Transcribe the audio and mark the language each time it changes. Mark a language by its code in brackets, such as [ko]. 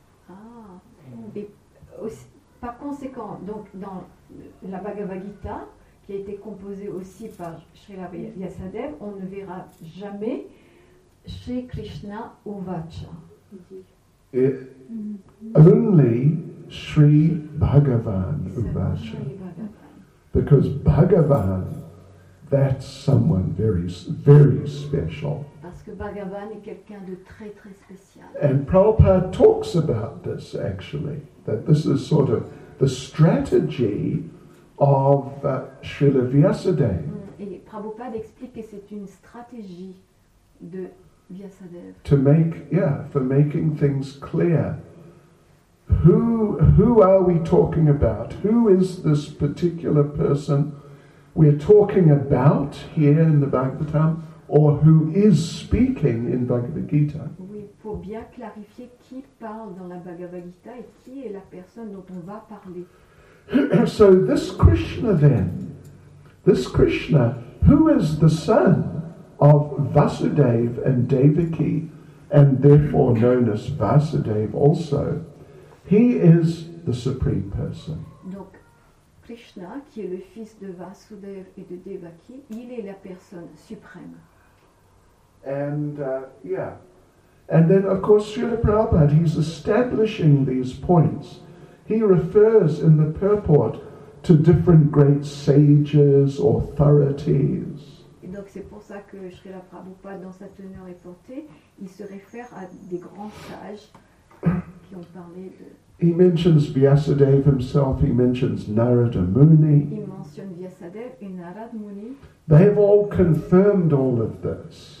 [fr] Ah, et aussi, par conséquent, donc dans la Bhagavad Gita, qui a été composée aussi par Srila Vyasadeva, on ne verra jamais Sri Krishna Uvacha. [en] Only Sri Bhagavan Uvacha. Because Bhagavan, that's someone very, very special. [fr] Parce que Bhagavan est quelqu'un de très très spécial. [en] And Prabhupada talks about this actually, that this is sort of the strategy of Srila Vyasadeva. [fr] Et Prabhupada explique que c'est une stratégie de Vyasadeva. [en] To make, yeah, for making things clear. Who are we talking about? Who is this particular person we're talking about here in the Bhagavatam? Or who is speaking in Bhagavad Gita? [fr] Oui, pour bien clarifier qui parle dans la Bhagavad Gita et qui est la personne dont on va parler. [en] So this Krishna then, this Krishna, who is the son of Vasudeva and Devaki, and therefore known as Vasudeva also, he is the Supreme Person. [fr] Donc, Krishna, qui est le fils de Vasudeva et de Devaki, il est la personne suprême. [en] And yeah, and then of course Srila Prabhupada, he's establishing these points. He refers in the purport to different great sages, authorities. [fr] Et donc c'est pour ça que Srila Prabhupada, dans sa teneur et portée, il se réfère à des grands sages qui ont parlé de. [en] He mentions Vyasadeva himself. He mentions Narada Muni. [fr] Il mentionne Vyasadeva et Narada Muni. [en] They have all confirmed all of this.